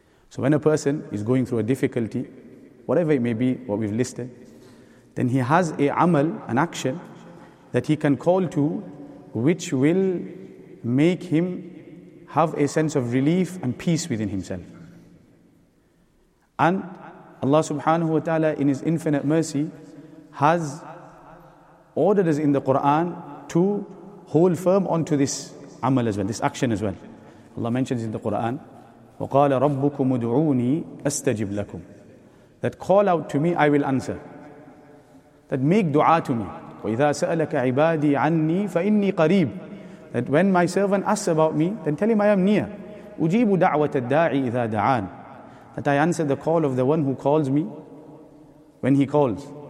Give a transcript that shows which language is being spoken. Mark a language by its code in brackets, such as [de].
[en] So when a person is going through a difficulty, whatever it may be, what we've listed, then he has a amal, an action, that he can call to, which will make him have a sense of relief and peace within himself. And Allah subhanahu wa ta'ala, in His infinite mercy, has ordered us in the Qur'an to hold firm onto this amal as well, this action as well. Allah mentions in the Quran, [ar] وَقَالَ رَبُّكُمُ ادْعُونِي أَسْتَجِبْ لَكُمْ. [en] That call out to me, I will answer. That make dua to me. [ar] وَإِذَا سَأَلَكَ عِبَادِي عَنِّي فَإِنِّي قَرِيبٌ. [en] That when my servant asks about me, then tell him I am near. [ar] أُجِيبُ دَعْوَةَ الدَّاعِ إِذَا دَعَانِ. [en] That I answer the call of the one who calls me when he calls.